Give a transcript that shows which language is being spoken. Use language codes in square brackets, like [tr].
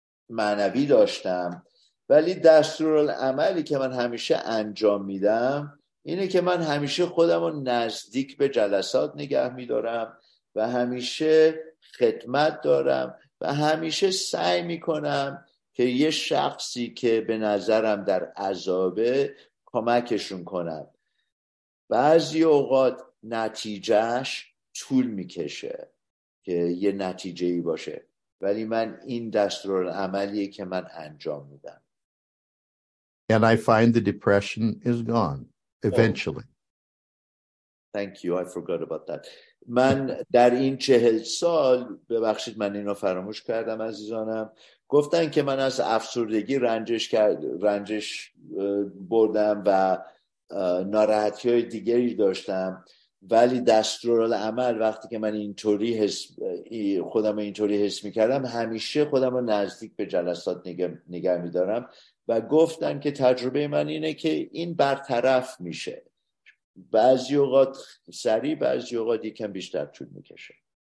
[fa] معنوی داشتم، ولی دستورالعملی که من همیشه انجام میدم اینه که من همیشه خودم رو نزدیک به جلسات نگه میدارم و همیشه خدمت دارم و همیشه سعی میکنم که یه شخصی که به نظرم در عذابه کمکشون کنم. بعضی اوقات نتیجهش طول میکشه که یه نتیجهی باشه، ولی من این دستورالعملیه که من انجام میدم. [en] And I find the depression is gone eventually. Thank you, I forgot about that. [fa] من در این 40 سال، ببخشید من اینو فراموش کردم عزیزانم، گفتن که من از افسردگی رنجش بردم و ناراحتی های دیگری داشتم، ولی دستورالعمل وقتی که من اینطوری حس خودم اینطوری حس میکردم همیشه خودم رو نزدیک به جلسات نگه میدارم و گفتن که تجربه من اینه که این برطرف میشه، بعضی اوقات سریع، بعضی اوقات یکم بیشتر طول میکشه.